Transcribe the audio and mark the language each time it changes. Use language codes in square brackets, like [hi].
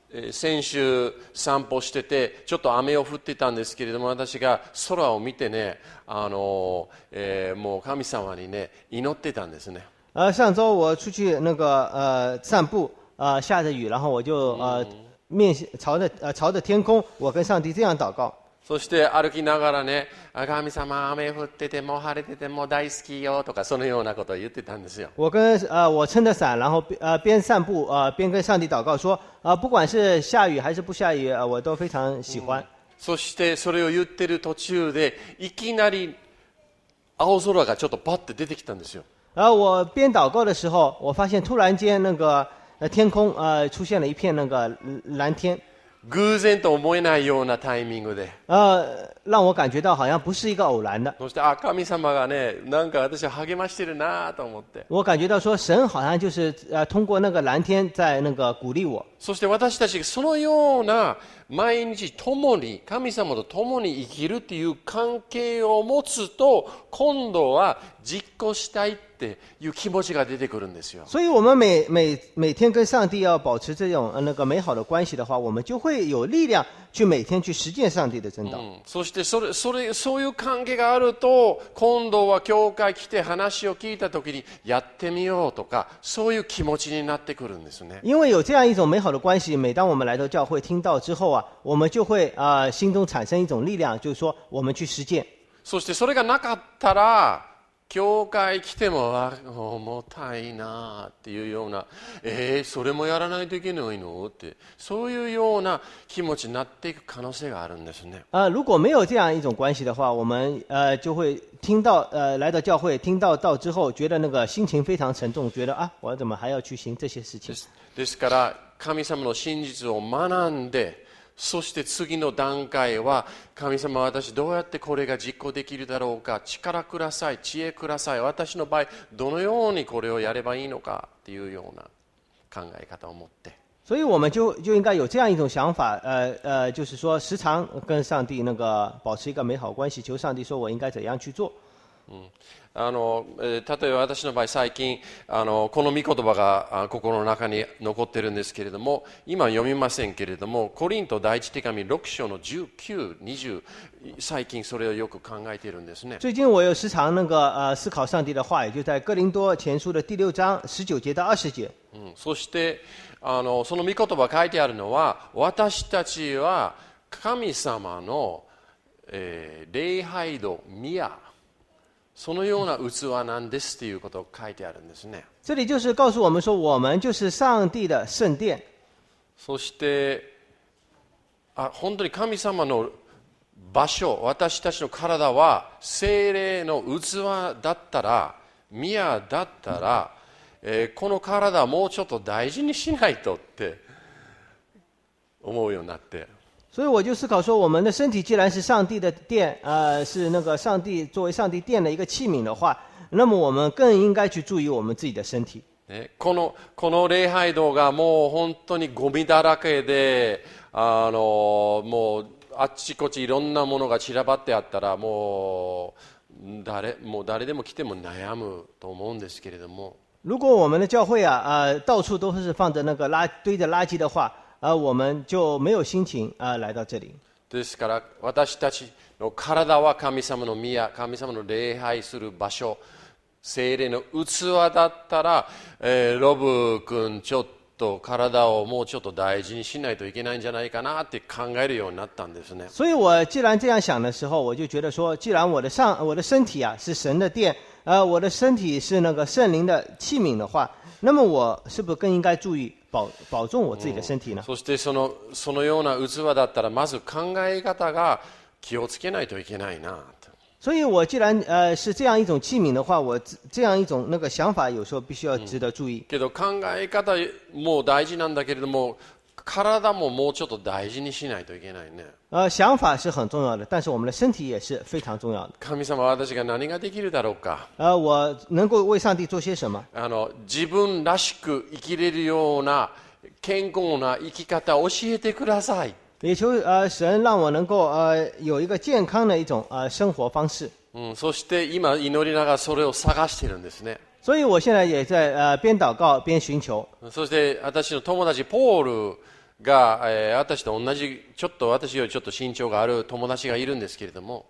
[ja] 先週散歩しててちょっと雨を降ってたんですけれども私が空を見てねもう神様にね祈ってたんですね。 [zh] 上周我出去那个散步下着雨然后我就面朝着朝着天空我跟上帝这样祷告。 [ja] そして歩きながらね神様雨降ってても晴れてても大好きよとかそのようなことを言ってたんですよ。 [zh] 我撑着伞然后边散步边跟上帝祷告说不管是下雨还是不下雨我都非常喜欢。 [ja] そしてそれを言ってる途中でいきなり青空がちょっとパッて出てきたんですよ。 [zh] 我边祷告的时候我发现突然间那个天空出现了一片那个蓝天。 [ja] 偶然と思えないようなタイミングで。 [zh] 让我感觉到好像不是一个偶然的。 [ja] そして、神様がね、なんか私を励ましてるなと思って。 [zh] 我感觉到说神好像就是通过那个蓝天在那个鼓励我。 [ja] そして私たちがそのような毎日共に、神様と共に生きるっていう関係を持つと、今度は実行したいっていう気持ちが出てくるんですよ。 [zh] 所以我们每天跟上帝要保持这种那个美好的关系的话，我们就会有力量去每天去实践上帝的真道。 [ja] そしてそういう関係があると、今度は教会来て話を聞いた時にやってみようとか、そういう気持ちになってくるんですね。 [zh] 因为有这样一种美好的关系，每当我们来到教会听到之后啊，我们就会心中产生一种力量，就是说我们去实践。 [ja] そしてそれがなかったら。教会来ても重たいなっていうような、それもやらないといけないのってそういうような気持ちになっていく可能性があるんですね。 [zh] 如果没有这样一种关系的话，我们就会听到来到教会听到道之后，觉得那个心情非常沉重，觉得啊，我怎么还要去行这些事情？ [ja] ですから神様の真実を学んで。そして次の段階は神様私どうやってこれが実行できるだろうか力ください知恵ください私の場合どのようにこれをやればいいのかっていうような考え方を持って [zh] 所以我们 就应该有这样一种想法就是说时常跟上帝那个保持一个美好关系求上帝说我应该怎样去做 [ja] 例えば私の場合最近この御言葉が心の中に残っているんですけれども今読みませんけれどもコリント第一手紙6章の19、20最近それをよく考えているんですね [zh] 最近我有时常那个思考上帝的话也就在哥林多前书的第6章19节到20节 [ja] そしてその御言葉書いてあるのは私たちは神様の、礼拝堂宮そのような器なんですということを書いてあるんですね。 [zh] 这里就是告诉我们说，我们就是上帝的圣殿。 [ja] そして、本当に神様の場所、私たちの体は聖霊の器だったら、宮だったら、この体をもうちょっと大事にしないとって思うようになって。 [zh] 所以我就思考说，我们的身体既然是上帝的殿，是那个上帝作为上帝殿的一个器皿的话，那么我们更应该去注意我们自己的身体。 [ja] この礼拝堂がもう本当にゴミだらけで、もうあっちこちいろんなものが散らばってあったら、もう誰でも来ても悩むと思うんですけれども。 [zh] 如果我们的教会啊，到处都是放着那个堆着垃圾的话。我们就没有心情来到这里。 [ja] ですから私たちの体は神様の宮、神様の礼拝する場所、聖霊の器だったら、ロブ君ちょっと体をもうちょっと大事にしないといけないんじゃないかなって考えるようになったんですね。 [zh] 所以我既然这样想的时候，我就觉得说，既然我的身体啊是神的殿，我的身体是那个圣灵的器皿的话，那么我是不是更应该注意？保重我自己的身体呢 [ja] そしてそのような器だったらまず考え方が気をつけないといけないなと [zh] 所以我既然是这样一种器皿的话我这样一种那个想法有时候必须要值得注意 [ja] けど考え方も大事なんだけれども体ももうちょっと大事にしないといけないね [zh] 想法是很重要的但是我们的身体也是非常重要的 [ja] 神様私が何ができるだろうか [zh] 我能够为上帝做些什么 [ja] 自分らしく生きれるような健康な生き方を教えてください [zh] 也求神让我能够有一个健康的一种生活方式 [ja] そして今祈りながらそれを探しているんですね [zh] 所以我现在也在边祷告边寻求 [ja] そして私の友達ポールが私と同じちょっと私よりちょっと身長がある友達がいるんですけれども